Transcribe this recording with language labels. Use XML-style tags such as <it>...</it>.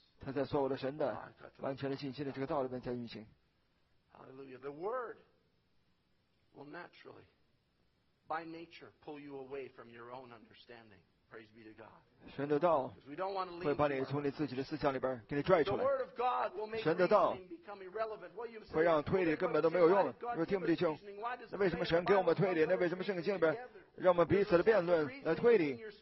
<zh>他在所有的神的完全的信心的这个道里面在运行。</zh> <en>Hallelujah. The word will naturally, by nature, pull you away from your own understanding. Praise be to God.</en> <zh>神的道会把你从你自己的思想里边给你拽出来。</zh> <en>The word of God will make reasoning become irrelevant.</en> <zh>会让推理根本都没有用了。若听不进去，那为什么神给我们推理？那为什么圣经里边让我们彼此的辩论来推理？</zh>